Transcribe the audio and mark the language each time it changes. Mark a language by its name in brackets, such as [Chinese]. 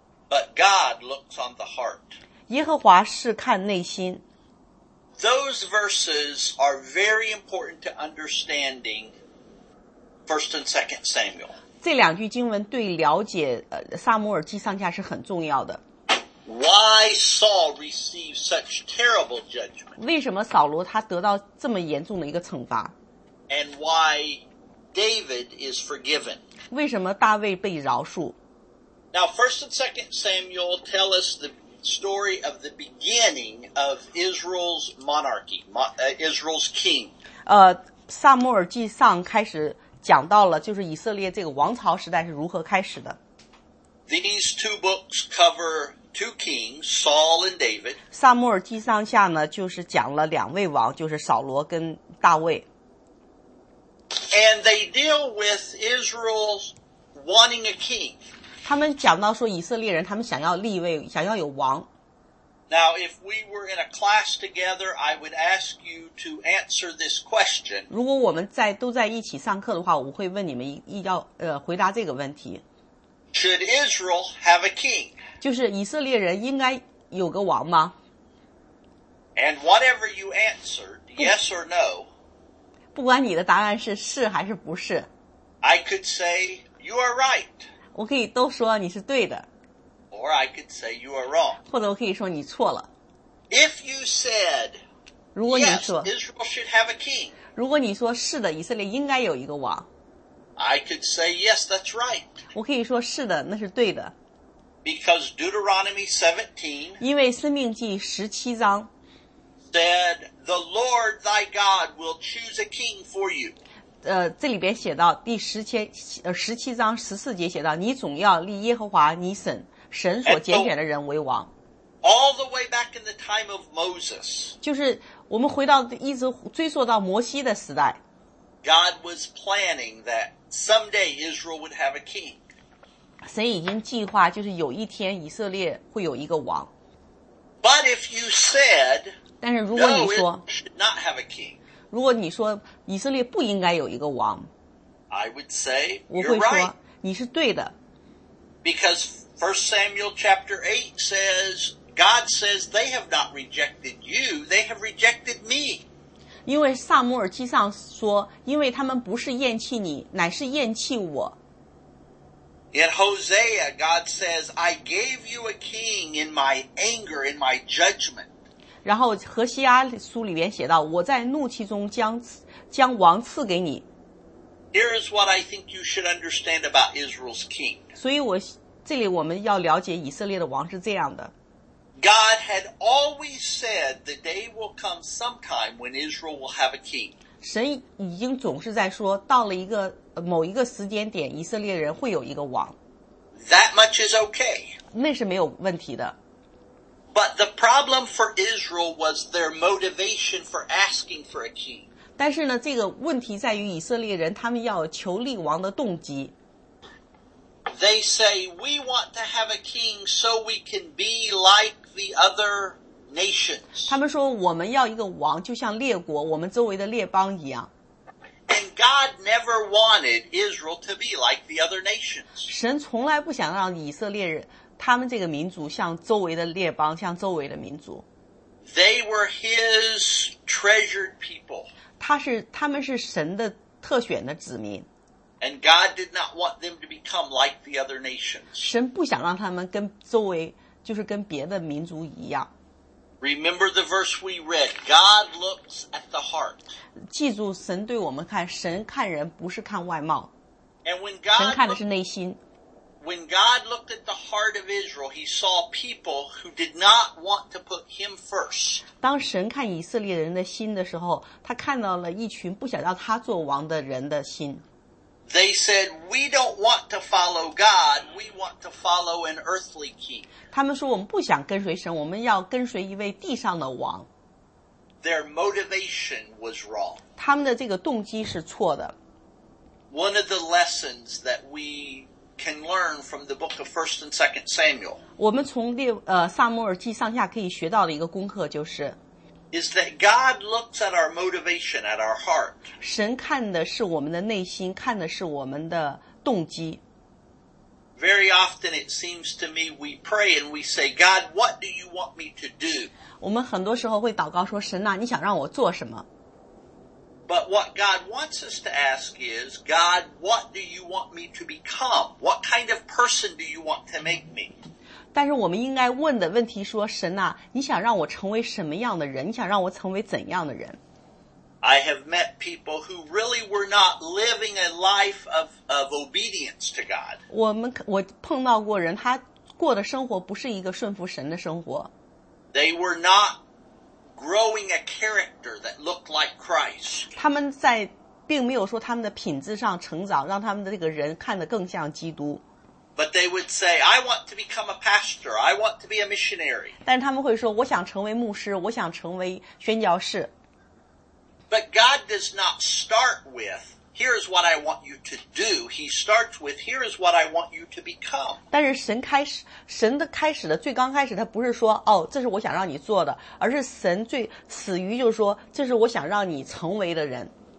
[English] But God looks on the heart. [Chinese] 耶和华是看内心。 [English] Those verses are very important to understanding 1st and 2nd Samuel. [Chinese] 这两句经文对了解撒母耳记上下是很重要的。 [English] Why Saul received such terrible judgment? [Chinese] 为什么扫罗他得到这么严重的一个惩罚？ [English] And why David is forgiven? [Chinese] 为什么大卫被饶恕？ [English] Now, 1st and 2nd Samuel tell us the story of the beginning of Israel's monarchy, Israel's king. [Chinese] 撒母耳记上开始讲到了就是以色列这个王朝时代是如何开始的。 [English] These two books cover two kings, Saul and David. [Chinese] 撒母耳记上下呢就是讲了两位王，就是扫罗跟大卫。 [English] And they deal with Israel's wanting a king. [Chinese] 他们讲到说以色列人他们想要立位想要有王。 [English] Now, if we were in a class together, I would ask you to answer this question. [Chinese] 如果我们在都在一起上课的话，我会问你们一要回答这个问题。 [English] Should Israel have a king? [Chinese] 就是以色列人应该有个王吗？ [English] And whatever you answered, yes or no, [Chinese] 不管你的答案是是还是不是， [English] I could say you are right. [Chinese] 我可以都说你是对的。 [English] Or I could say you are wrong. [Chinese] 或者我可以说你错了。 [English] If you said, [Chinese] 如果你说 [English] yes, Israel should have a king. [Chinese] 如果你说是的，以色列应该有一个王。 [English] I could say yes, that's right. [Chinese] 我可以说是的，那是对的。 [English] Because Deuteronomy 17, [Chinese] 因为申命记十七章 [English] said, the Lord thy God will choose a king for you. [Chinese] 这里边写到第十七十七章十四节写到，你总要立耶和华你神。神所拣选的人为王。 [English] All the way back in the time of Moses. [Chinese] 就是我们回到一直追溯到摩西的时代。 [English] God was planning that someday Israel would have a king. [Chinese] 神已经计划就是有一天以色列会有一个王。 [English] But if you said, [Chinese] 但是如果你说 [English] no, it should not have a king. [Chinese] 如果你说以色列不应该有一个王。 [English] I would say, [Chinese] 我会说你是对的。 [English] Because1 Samuel chapter 8 says, God says they have not rejected you, they have rejected me. [Chinese] 因为撒母耳记上说，因为他们不是厌弃你，乃是厌弃我。 [English] In Hosea, God says, I gave you a king in my anger, in my judgment. [Chinese] 然后何西阿书里面写到，我在怒气中将王赐给你。 [English] Here is what I think you should understand about Israel's king. [Chinese] 所以我这里我们要了解以色列的王是这样的。 [English] God had always said the day will come sometime when Israel will have a king. [Chinese] 神已经总是在说到了一个某一个时间点以色列人会有一个王。 [English] That much is okay. [Chinese] 那是没有问题的。 [English] But the problem for Israel was their motivation for asking for a king. [Chinese] 但是呢这个问题在于以色列人他们要求立王的动机。 [English] They say, we want to have a king so we can be like the other nations. [Chinese] 他们说我们要一个王就像列国我们周围的列邦一样。 [English] And God never wanted Israel to be like the other nations. [Chinese] 神从来不想让以色列人他们这个民族像周围的列邦像周围的民族。 [English] They were his treasured people. [Chinese] 他们是神的特选的子民。 [English] And God did not want them to become like the other nations. [Chinese] 神不想让他们跟周围就是跟别的民族一样。 [English] Remember the verse we read, God looks at the heart. [Chinese] 记住神对我们看神看人不是看外貌。 [English] And when God [Chinese] 神看的是内心。 [English] When God looked at the heart of Israel, he saw people who did not want to put him first. [Chinese] 当神看以色列人的心的时候他看到了一群不想让他做王的人的心。 [English] They said, we don't want to follow God, we want to follow an earthly king. [Chinese] 他们说我们不想跟随神我们要跟随一位地上的王。 [English] Their motivation was wrong. [Chinese] 他们的这个动机是错的。 [English] One of the lessons that we can learn from the book of 1st and 2nd Samuel. [Chinese] 我们从撒母耳记上下可以学到的一个功课就是。 [English] Is that God looks at our motivation, at our heart. [Chinese] 神看的是我们的内心，看的是我们的动机。 [English] Very often it seems to me we pray and we say, God, what do you want me to do? [Chinese] 我们很多时候会祷告说，神啊，你想让我做什么？ [English] But what God wants us to ask is, God, what do you want me to become? What kind of person do you want to make me? [Chinese] 但是我们应该问的问题说神啊你想让我成为什么样的人你想让我成为怎样的人 [English] I have met people who really were not living a life of obedience to God [Chinese] 我碰到过人他过的生活不是一个顺服神的生活 [English] They were not growing a character that looked like Christ [Chinese] 他们在并没有说他们的品质上成长让他们的这个人看得更像基督 [English] But they would say, I want to become a pastor, I want to be a missionary. [Chinese] 但他们会说我想成为牧师我想成为宣教士。 [English] But God does not start with here is what I want you to do. He starts with, here is what I want you to become. [Chinese] 但是神开始，神的开始的最刚开始，他不是说，哦，这是我想让你做的，而是神最死于就是说，这是我想让你成为的人。